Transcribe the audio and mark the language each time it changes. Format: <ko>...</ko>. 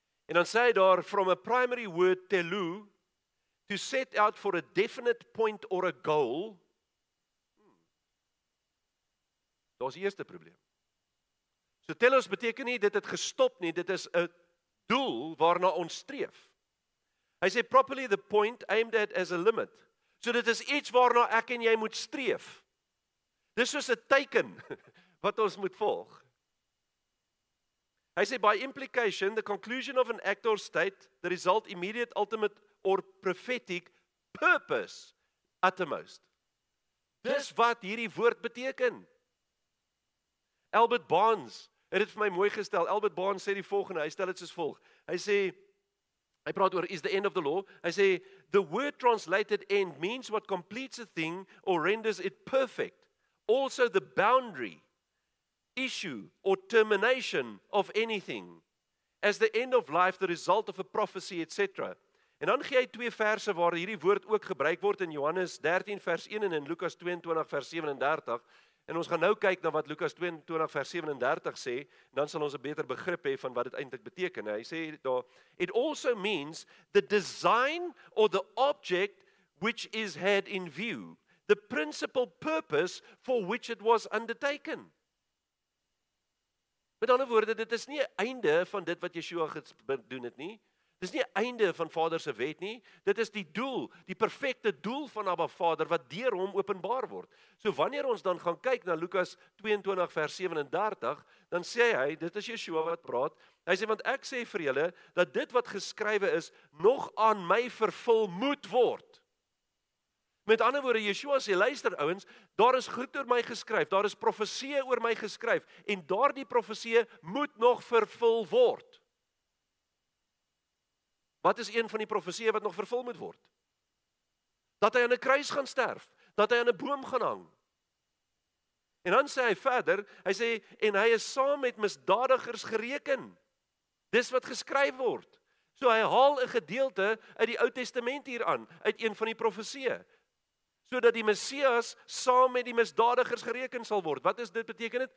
<af>En dan sê hy daar,</af> <en>from a primary word telu, to set out for a definite point or a goal.</en> <af>Daar is die eerste probleem. So telos beteken nie, dit het gestop nie, dit is 'n doel waarna ons streef. Hy sê,</af> <en>properly the point aimed at as a limit.</en> <af>So dit is iets waarna ek en jy moet streef. Dis soos 'n teken wat ons moet volg. Hy sê,</af> <en>by implication, the conclusion of an act or state, the result, immediate, ultimate, or prophetic, purpose, uttermost.</en> <af>Dis wat hierdie woord beteken. Albert Barnes, het dit vir my mooi gestel, Albert Barnes sê die volgende, hy stel dit soos volg, hy sê, hy praat oor,</af> <en>is the end of the law,</en> <af>hy sê,</af> <en>the word translated end means what completes a thing, or renders it perfect, also the boundary, issue or termination of anything, as the end of life, the result of a prophecy, etc.</en> <af>En dan gee hy twee verse waar hierdie woord ook gebruik word in Johannes 13 vers 1 en in Lukas 22 vers 37. En ons gaan nou kyk na wat Lukas 22 vers 37 sê, dan sal ons 'n beter begrip hê van wat dit eintlik beteken. Hy sê daar,</af> <en>it also means the design or the object which is had in view, the principal purpose for which it was undertaken.</en> <af>Met ander woorde, dit is nie 'n einde van dit wat Yeshua gedoen het nie. Dit is nie einde van Vader se wet nie, dit is die doel, die perfekte doel van Abba Vader, wat deur hom openbaar word. So wanneer ons dan gaan kyk na Lukas 22 vers 37, dan sê hy, dit is Yeshua wat praat, hy sê, want ek sê vir julle, dat dit wat geskrywe is, nog aan my vervul moet word. Met ander woorde, Yeshua sê, luister ouens, daar is goed oor my geskryf, daar is profesie oor my geskryf, en daar die profesie moet nog vervul word. Wat is een van die profesieë wat nog vervul moet word? Dat hy aan 'n kruis gaan sterf, dat hy aan 'n boom gaan hang. En dan sê hy verder, hy sê, en hy is saam met misdadigers gereken. Dis wat geskryf word. So hy haal 'n gedeelte uit die Ou Testament hier aan, uit een van die profesieë, sodat die Messias saam met die misdadigers gereken sal word. Wat is dit beteken dit?</af>